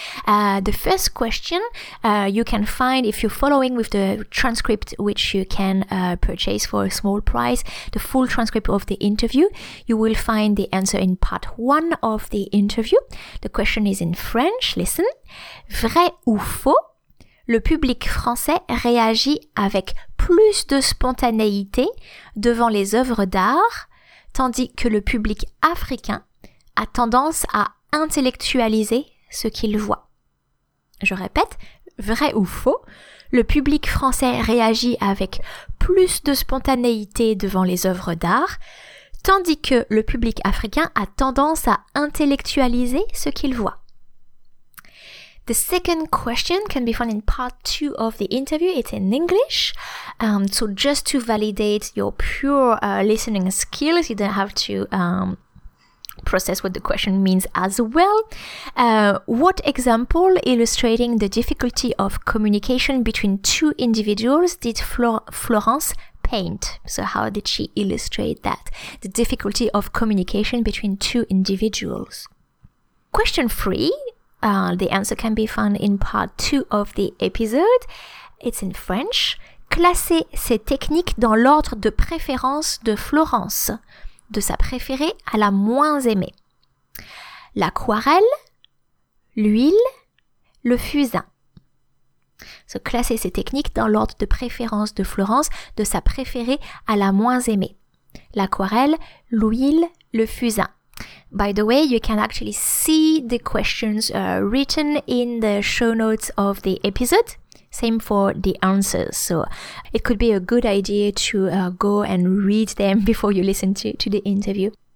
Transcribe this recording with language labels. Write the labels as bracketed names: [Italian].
[English] The first question you can find if you're following with the transcript, which you can purchase for a small price, the full transcript of the interview. You will find the answer in part one of the interview. The question is in French. Listen. [French] Vrai ou faux? Le public français réagit avec plus de spontanéité devant les œuvres d'art, tandis que le public africain a tendance à intellectualiser ce qu'il voit. Je répète, vrai ou faux, le public français réagit avec plus de spontanéité devant les œuvres d'art, tandis que le public africain a tendance à intellectualiser ce qu'il voit. [English] The second question can be found in part two of the interview. It's in English. So just to validate your pure listening skills, you don't have to process what the question means as well. What example illustrating the difficulty of communication between two individuals did Florence paint? So how did she illustrate that? The difficulty of communication between two individuals. Question three. The answer can be found in part two of the episode. It's in French. [French] Classez ces techniques dans l'ordre de préférence de Florence. De sa préférée à la moins aimée. L'aquarelle, l'huile, le fusain. So, classez ces techniques dans l'ordre de préférence de Florence, de sa préférée à la moins aimée. L'aquarelle, l'huile, le fusain. [English] By the way, you can actually see the questions written in the show notes of the episode. Same for the answers. So it could be a good idea to go and read them before you listen to the interview.